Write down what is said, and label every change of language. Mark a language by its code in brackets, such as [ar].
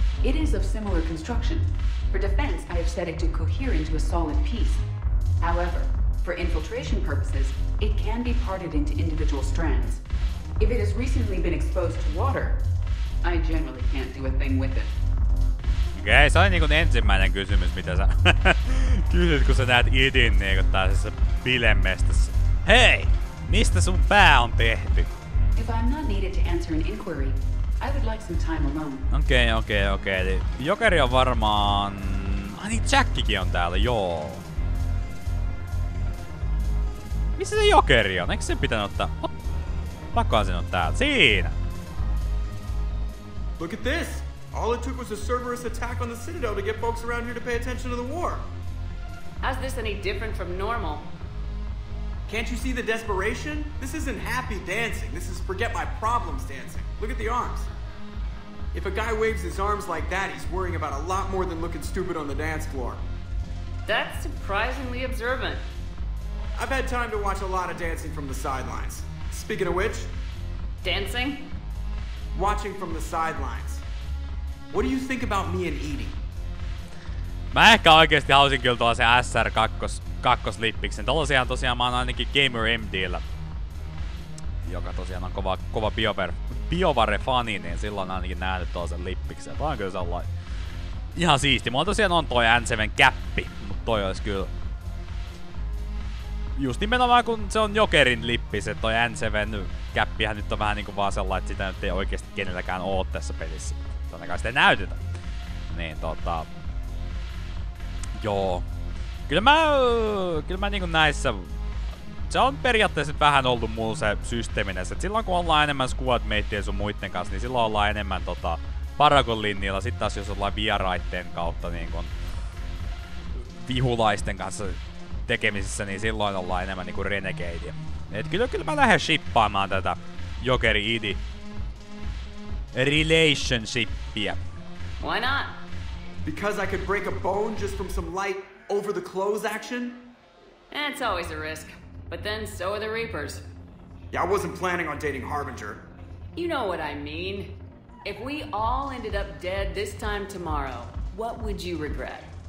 [en] It is of similar construction. For defense, I have set it to cohere into a solid piece. However, for infiltration purposes, it can be parted into individual strands. If it has recently been exposed to water, I generally can't do a thing with it. [fi] Okei, se oli niinku ensimmäinen kysymys, mitä sä kysyt, kun sä näet itin niinku tällaisessa bilemestassa. Hei, mistä sun pää on tehty? [en] If I'm not needed to answer an inquiry, I would like some time alone. [fi] Okei. Eli Jokeri on varmaan... Ai niin, Jackikin on täällä, joo. Missä se Jokeri on? Eikö sen pitänyt ottaa... Pakkohan sen on täällä. Siinä! [en] Look at this! All it took was a Cerberus attack on the Citadel to get folks around here to pay attention to the war. How's this any different from normal? Can't you see the desperation? This isn't happy dancing. This is forget my problems dancing. Look at the arms. If a guy waves his arms like that, he's worrying about a lot more than looking stupid on the dance floor. That's surprisingly observant. I've had time to watch a lot of dancing from the sidelines. Speaking of which... Dancing? Watching from the sidelines. What do you think about me and Eadie? [fi] Mä ehkä oikeesti hausin kyllä tuolla sen SR2-lippiksen. Tosiaan mä oon ainakin Gamer MD:llä. Joka tosiaan on kova BioVare-fani, niin silloin ainakin nähnyt tuolla sen lippiksen. Tää on kyllä sellainen ihan siisti. Mulla tosiaan on toi N7-käppi, mut toi olisi kyllä... Just nimenomaan kun se on Jokerin lippi, se toi N7-käppihän nyt on vähän niinku vaan sellainen, että sitä nyt ei oikeesti kenelläkään oo tässä pelissä. Ainakaan sitä ei näytetä. Niin tota... Joo. Kyllä mä niinku näissä... Se on periaatteessa vähän ollut mulla se systeeminen, että silloin kun ollaan enemmän squadmateja sun muitten kanssa, niin silloin ollaan enemmän tota Paragon linjalla. Sitten taas jos ollaan vieraitten kautta niinkun vihulaisten kanssa tekemisissä, niin silloin ollaan enemmän niinku renegadeja. Et kyllä mä lähden shippaamaan tätä Jokeri Eadie relationshipia. [en] Why not? Because I could break a bone just from some light over the clothes action? It's always a risk. But then so are the Reapers. Yeah, I wasn't planning on dating Harbinger. You know what I mean. If we all ended up dead this time tomorrow, what would you regret?